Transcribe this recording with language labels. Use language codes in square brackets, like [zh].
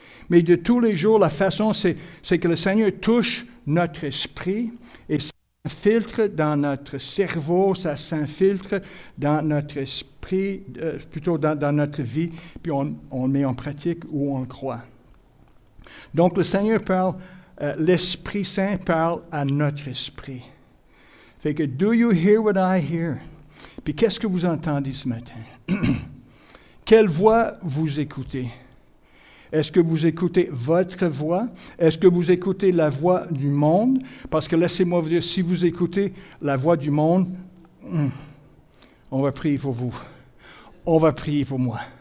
[fr] Mais de tous les jours, la façon, c'est que le Seigneur touche notre esprit et ça s'infiltre dans notre cerveau, ça s'infiltre dans notre esprit, plutôt dans notre vie, puis on le met en pratique ou on le croit. Donc le Seigneur parle, l'Esprit Saint parle à notre esprit. Fait que, [en] do you hear what I hear? [fr] Puis qu'est-ce que vous entendez ce matin? Quelle voix vous écoutez? Est-ce que vous écoutez votre voix? Est-ce que vous écoutez la voix du monde? Parce que laissez-moi vous dire, si vous écoutez la voix du monde, on va prier pour vous. On va prier pour moi.